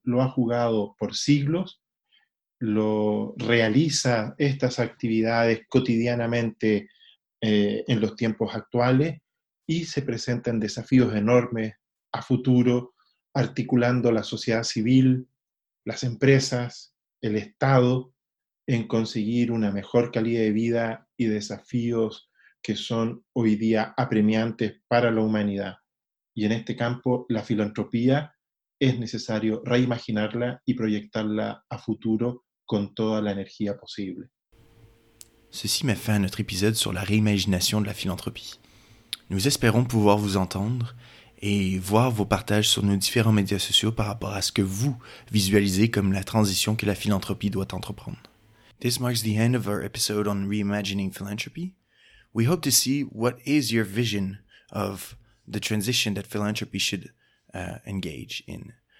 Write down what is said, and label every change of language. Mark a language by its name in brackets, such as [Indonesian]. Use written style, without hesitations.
[Spanish] Lo ha jugado por siglos, lo realiza estas actividades cotidianamente en los tiempos actuales y se presentan desafíos enormes a futuro, articulando la sociedad civil, las empresas, el Estado, en conseguir una mejor calidad de vida y desafíos que son hoy día apremiantes para la humanidad. Y en este campo, la filantropía es necesario reimaginarla y proyectarla a futuro con toda la energía posible. [French] Ceci met fin à notre épisode sur la réimagination de la philanthropie. Nous espérons pouvoir vous entendre et voir vos partages sur nos différents médias sociaux par rapport à ce que vous visualisez comme la transition que la philanthropie doit entreprendre. [English] This marks the end of our episode on reimagining philanthropy. We hope to see what is your vision of the transition that philanthropy should engage in.